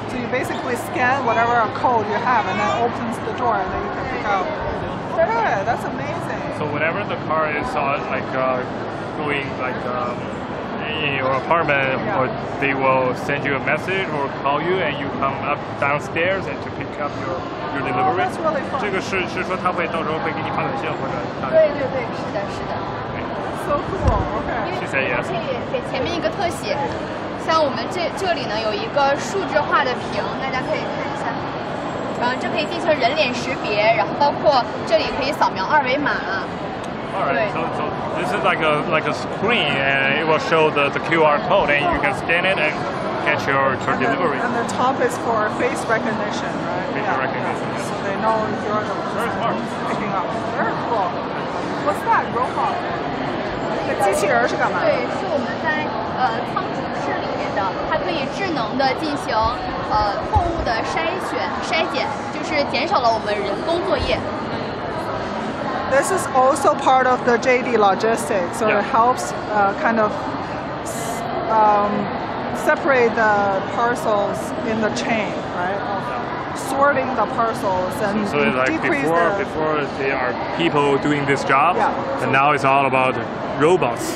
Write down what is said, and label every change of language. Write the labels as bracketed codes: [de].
[en] Basically scan whatever code you have and then opens the door and then you can pick up. That's amazing. So whenever the car is in your apartment, yeah. Or they will send you a message or call you and you come up downstairs and to pick up your delivery. Oh, that's really fun. [zh] 这个是说他会到时候会给你发短信或者。对对对，是的。 [en] So cool. Okay. She said yes. [zh] 可以给前面一个特写。像我们这里呢有一个数字化的屏，大家可以看一下，这可以进行人脸识别，然后包括这里可以扫描二维码。 [en] All right, so this is like a screen, and it will show the QR code, and you can scan it and get your delivery. And the top is for face recognition, right? Face recognition. So they know if you're the picking up. Very cool. What's that robot? [zh] 机器人是干嘛的？对，是我们在仓储室里面的，它可以智能的进行货物的筛选、筛检，就是减少了我们人工作业。 [en] This is also part of the JD logistics, so it helps kind of separate the parcels in the chain, right? Sorting the parcels and decrease the... So it's like before there are people doing this job, and now it's all about robots.